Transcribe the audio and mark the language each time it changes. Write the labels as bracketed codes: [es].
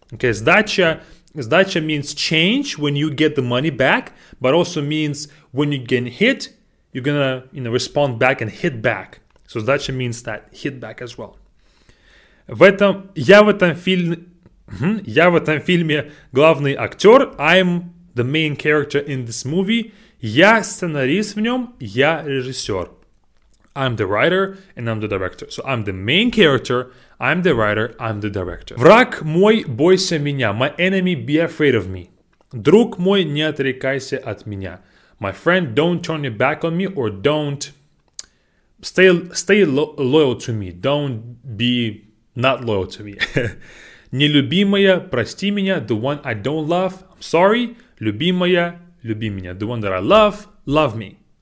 [en] Okay, сдача means change when you get the money back, but also means when you get hit, you're going to respond back and hit back. So сдача means that, hit back as well. [ru] Я в этом фильме главный актер. [en] I'm the main character in this movie. [ru] Я сценарист в нем. Я режиссер. [en] I'm the writer and I'm the director. So I'm the main character. I'm the writer. I'm the director. [ru] Враг мой, бойся меня. [en] My enemy, be afraid of me. [ru] Друг мой, не отрекайся от меня. [en] My friend, don't turn your back on me or don't stay loyal to me. Don't be not loyal to me. [ru] Нелюбимая, прости меня. [en] The one I don't love, I'm sorry. [ru] Любимая, люби меня. [en] The one that I love, love me.